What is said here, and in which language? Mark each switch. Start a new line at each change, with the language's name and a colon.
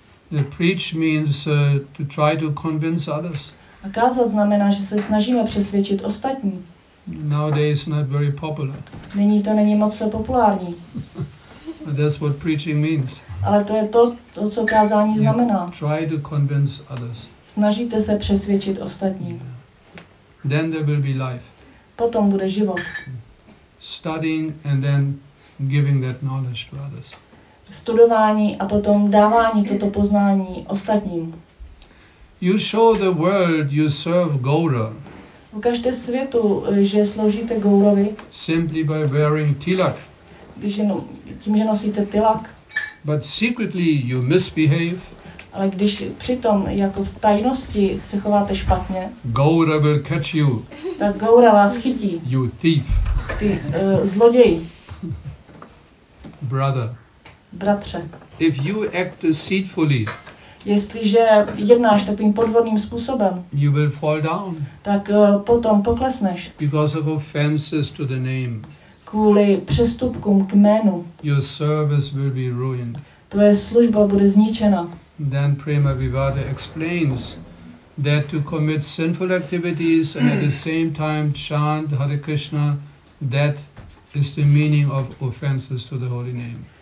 English: The preach means to try to convince others.
Czech: A kázat znamená, že se snažíme přesvědčit ostatní.
English: Nowadays not very popular.
Czech: Nyní to není moc populární.
English: That's what preaching means.
Czech: Ale to je to, co kázání znamená.
English: Try to convince others.
Czech: Snažíte se přesvědčit ostatní.
English: Yeah. Then there will be life.
Czech: Potom bude život.
English: Studying and then giving that knowledge to others.
Czech: Studování a potom dávání toto poznání ostatním.
English: You show the world you serve Gaura.
Czech: Ukažte světu, že sloužíte Gaurovi.
English: Simply by wearing tilak.
Czech: Tím, že nosíte tilak.
English: But secretly you misbehave.
Czech: Ale když přitom jako v tajnosti se chováte špatně.
English: Gaura will catch you.
Czech: Tak Gaura vás chytí.
English: You thief.
Czech: Ty zloděj.
English: Brother.
Czech: Bratře.
English: If you act deceitfully.
Czech: Jestliže jednáš takovým podvodným způsobem.
English: You will fall down.
Czech: Tak potom poklesneš.
English: Because of offenses to the name.
Czech: Kvůli přestupkům k jménu.
English: Your service will be ruined.
Czech: Tvoje služba bude zničena.
English: Then Prema Vivada explains that to commit sinful activities and at the same time chant Hare Krishna, that is the meaning of offenses to the holy name.